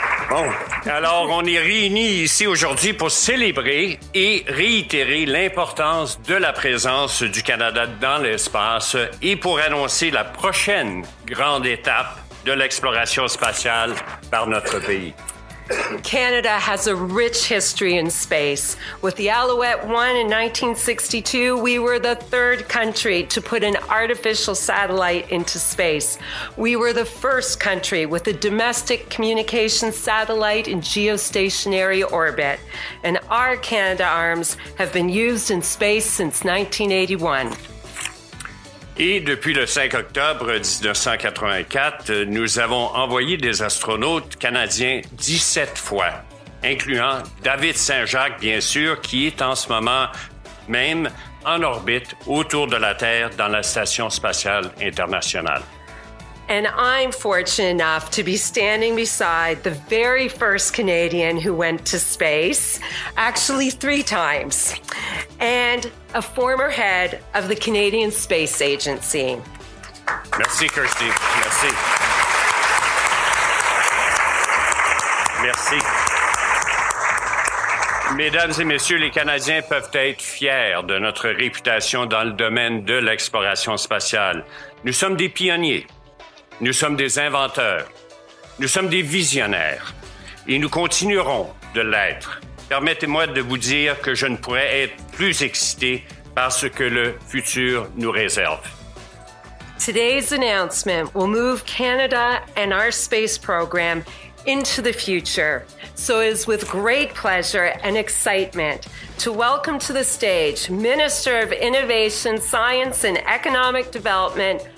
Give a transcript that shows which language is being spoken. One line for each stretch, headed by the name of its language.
French: Bon. Alors, on est réunis ici aujourd'hui pour célébrer et réitérer l'importance de la présence du Canada dans l'espace et pour annoncer la prochaine grande étape de l'exploration spatiale par notre pays.
English: Canada has a rich history in space. With the Alouette 1 in 1962, we were the third country to put an artificial satellite into space. We were the first country with a domestic communications satellite in geostationary orbit. And our Canada arms have been used in space since 1981.
French: Et depuis le 5 octobre 1984, nous avons envoyé des astronautes canadiens 17 fois, incluant David Saint-Jacques, bien sûr, qui est en ce moment même en orbite autour de la Terre dans la Station spatiale internationale.
English: And I'm fortunate enough to be standing beside the very first Canadian who went to space, actually three times, and a former head of the Canadian Space Agency.
French: Merci, Kirsty. Merci. Merci. Mesdames et messieurs, les Canadiens peuvent être fiers de notre réputation dans le domaine de l'exploration spatiale. Nous sommes des pionniers. Nous sommes des inventeurs, nous sommes des visionnaires et nous continuerons de l'être. Permettez-moi de vous dire que je ne pourrais être plus excité par ce que le futur nous réserve.
English: Today's announcement will move Canada and our space program into the future. So it is with great pleasure and excitement to welcome to the stage Minister of Innovation, Science and Economic Development,